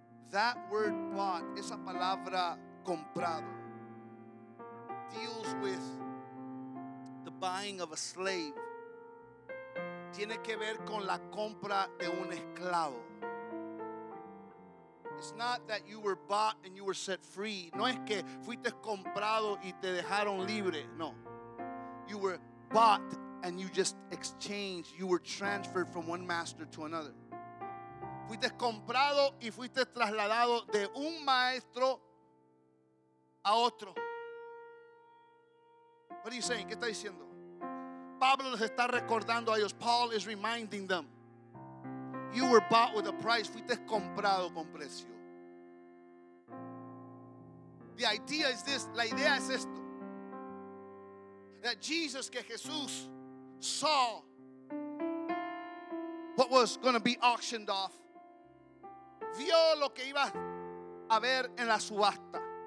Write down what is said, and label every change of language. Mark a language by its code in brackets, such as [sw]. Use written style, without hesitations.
[en] That word bought, [es] esa palabra comprado, [en] deals with the buying of a slave. [es] Tiene que ver con la compra de un esclavo. [en] It's not that you were bought and you were set free. [es] No es que fuiste comprado y te dejaron libre. [en] No. You were bought and you just exchanged. You were transferred from one master to another. [es] Fuiste comprado y fuiste trasladado de un maestro a otro. [en] What are you saying? [es] ¿Qué está diciendo? Pablo les está recordando a ellos. [en] Paul is reminding them. You were bought with a price. [es] Fuiste comprado con precio. [en] The idea is this. [es] La idea es esto. [en] That Jesus, [es] que Jesús, [en] saw what was going to be auctioned off. [es] Vio lo que iba a ver en la subasta.